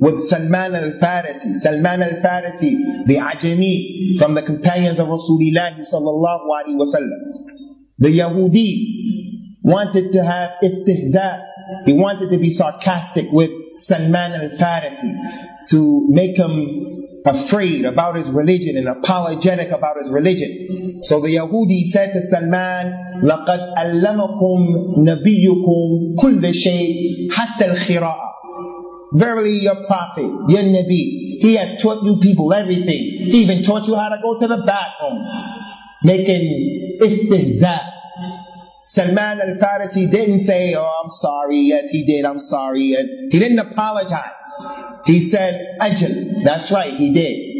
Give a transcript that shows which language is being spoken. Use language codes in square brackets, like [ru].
[en] With Salman al-Farisi. Salman al-Farisi, the Ajami, from the companions of Rasulullah sallallahu alayhi wa sallam. The Yahudi wanted to have istihza. He wanted to be sarcastic with Salman al-Farisi to make him afraid about his religion and apologetic about his religion. So the Yahudi said to Salman, [ar] لَقَدْ أَلَّمَكُمْ نَبِيُّكُمْ كُلَّ شَيْءٍ حَتَّى الْخِرَاءَ. [en] Verily your prophet, your Nabi, he has taught you people everything. He even taught you how to go to the bathroom. Making istihza. Salman al-Farisi didn't say, oh, I'm sorry. Yes, he did. I'm sorry. And he didn't apologize. He said, ajal. That's right, he did.